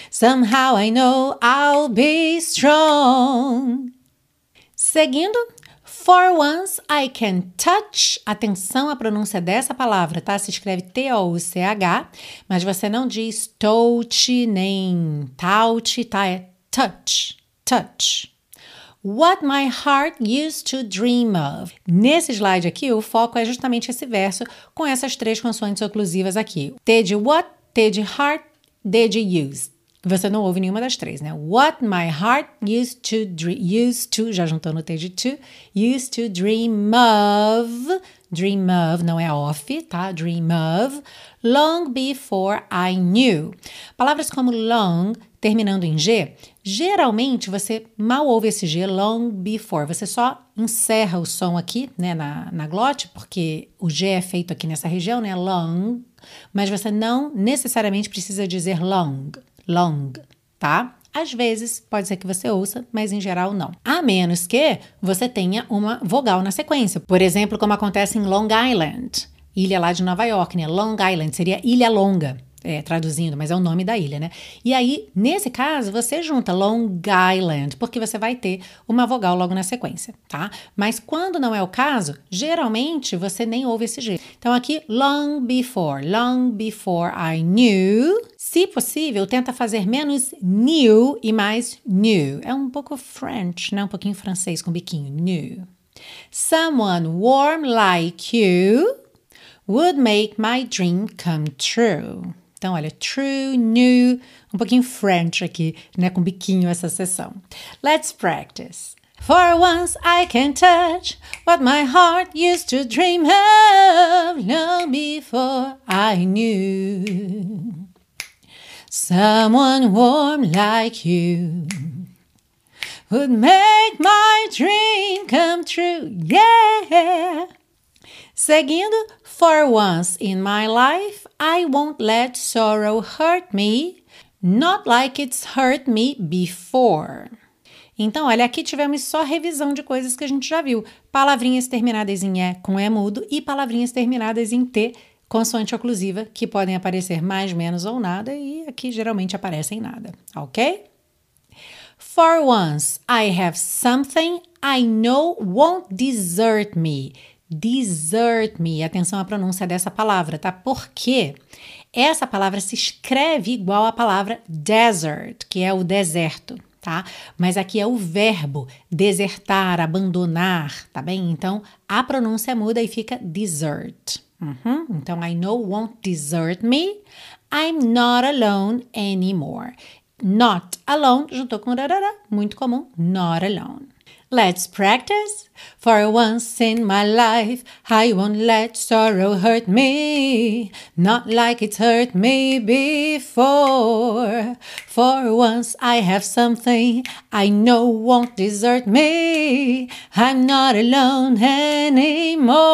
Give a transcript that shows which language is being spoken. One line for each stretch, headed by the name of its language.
English: Somehow I know I'll be strong.
Portuguese: Seguindo.
English: For once I can touch,
Portuguese: atenção à pronúncia dessa palavra, tá? Se escreve T-O-U-C-H, mas você não diz touch nem touch, tá?
English: É touch, touch. What my heart used to dream of.
Portuguese: Nesse slide aqui, o foco é justamente esse verso com essas três consoantes oclusivas aqui. T de what, T de heart, D de used. Você não ouve nenhuma das três, né?
English: What my heart used to,
Portuguese: já juntou no T de to,
English: used to dream of,
Portuguese: não é off, tá?
English: Dream of, long before I knew.
Portuguese: Palavras como long, terminando em G, geralmente você mal ouve esse G, long before, você só encerra o som aqui, né, na glote, porque o G é feito aqui nessa região, né, long, mas você não necessariamente precisa dizer long. Long, tá? Às vezes, pode ser que você ouça, mas em geral não. A menos que você tenha uma vogal na sequência. Por exemplo, como acontece em Long Island, ilha lá de Nova York, né? Long Island seria ilha longa, traduzindo, mas é o nome da ilha, né? E aí, nesse caso, você junta Long Island, porque você vai ter uma vogal logo na sequência, tá? Mas quando não é o caso, geralmente você nem ouve esse jeito. Então aqui,
English: long before I knew.
Portuguese: Se possível, tenta fazer menos new e mais new. É um pouco French, né? Um pouquinho francês com biquinho, new.
English: Someone warm like you would make my dream come true.
Portuguese: Então, olha, true, new, um pouquinho French aqui, né, com biquinho essa sessão.
English: Let's practice. For once I can touch what my heart used to dream of long before I knew. Someone warm like you would make my dream come true, yeah.
Portuguese: Seguindo,
English: for once in my life, I won't let sorrow hurt me, not like it's hurt me before.
Portuguese: Então, olha, aqui tivemos só revisão de coisas que a gente já viu. Palavrinhas terminadas em E com E mudo e palavrinhas terminadas em T, consoante oclusiva, que podem aparecer mais, menos ou nada, e aqui geralmente aparecem nada, ok?
English: For once, I have something I know won't desert me.
Portuguese: Desert me, atenção à pronúncia dessa palavra, tá? Porque essa palavra se escreve igual à palavra desert, que é o deserto, tá? Mas aqui é o verbo desertar, abandonar, tá bem? Então, a pronúncia muda e fica desert. Uhum.
English: Então, I know won't desert me. I'm not alone anymore.
Portuguese: Not alone, juntou com rarara, muito comum, not alone.
English: Let's practice. For once in my life, I won't let sorrow hurt me, not like it's hurt me before. For once I have something I know won't desert me, I'm not alone anymore.